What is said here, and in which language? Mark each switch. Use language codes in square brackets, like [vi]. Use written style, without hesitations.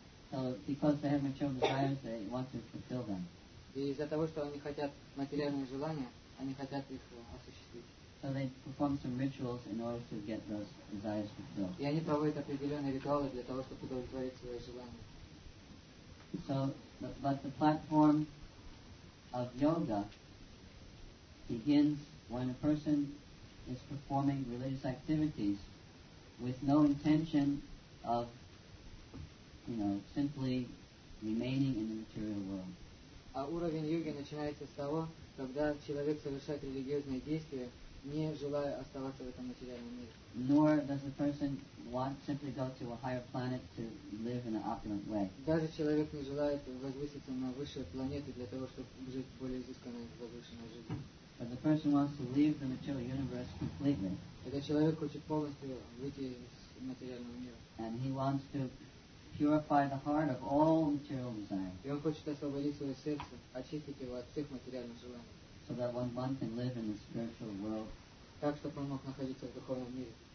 [en] So because they have mature desires, they want to fulfill them. [ru] И из-за того, что они хотят материальные желания, они хотят их осуществить. [en] So they perform some rituals in order to get those desires fulfilled. [ru] И они проводят определенные ритуалы для того, чтобы удовлетворить свои желания. [en] So, but the platform of yoga begins when a person is performing religious activities with no intention of, you know, simply remaining in the material world. [ru] А уровень йоги начинается с того, когда человек совершает религиозные действия, не желая оставаться в этом материальном мире. [en] Nor does the person want simply go to a higher planet to live in an opulent way. [ru] Даже человек не желает возвыситься на высшую планету для того, чтобы жить более изысканной, возвышенной жизнью. [en] But the person wants to leave the material universe completely. [ru] Когда человек хочет полностью выйти из материального мира. [en] And he wants to purify the heart of all material desires. [ru] И он хочет освободить свое сердце, очистить его от всех материальных желаний. [en] So that one monk can live in the spiritual world. [ru] Так, чтобы он мог находиться в духовном мире.